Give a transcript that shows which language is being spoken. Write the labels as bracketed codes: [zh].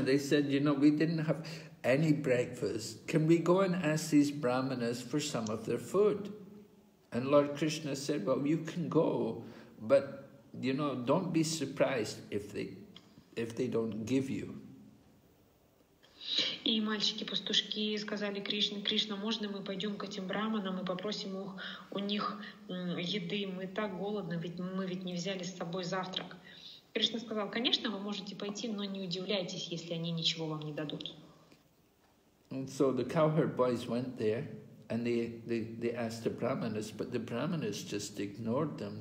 [en] They said, you know, we didn't have any breakfast. Can we go and ask these brahmanas for some of their food? And Lord Krishna said, well, you can go, but you know, don't be surprised if they don't give you. [ru] И мальчики-пастушки сказали Кришне: Кришна, можно мы пойдем к этим брахманам и попросим у них еды? Мы так голодны, мы ведь не взяли с собой завтрак. Кришна сказал: конечно, вы можете пойти, но не удивляйтесь, если они ничего вам не дадут. [en] And so the cowherd boys went there, and they asked the brahmanas, but the brahmanas just ignored them.